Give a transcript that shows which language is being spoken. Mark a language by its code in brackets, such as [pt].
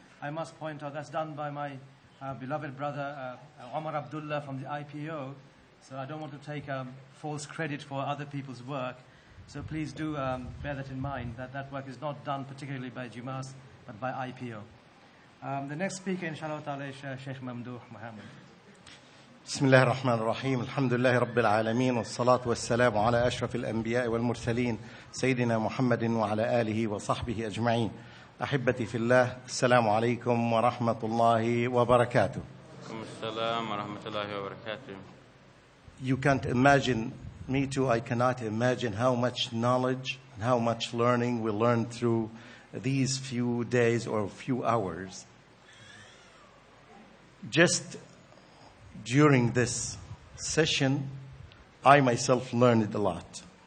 [en] I must point out that's done by my beloved brother, Omar Abdullah from the IPO. So I don't want to take false credit for other people's work. So please do bear that in mind, that that work is not done particularly by Jumas, but by IPO. The next speaker, inshallah ta'ala, is Sheikh Mamdouh Muhammad. [ar] بسم الله الرحمن الرحيم الحمد لله رب العالمين والصلاة والسلام على أشرف الأنبياء والمرسلين سيدنا محمد وعلى آله وصحبه أجمعين أحبتي في الله السلام عليكم ورحمة الله وبركاته وعليكم السلام ورحمة الله وبركاته. [en] You can't imagine, me too, I cannot imagine how much knowledge and how much learning we learned through these few days or few hours. Just during this session, I myself learned a lot.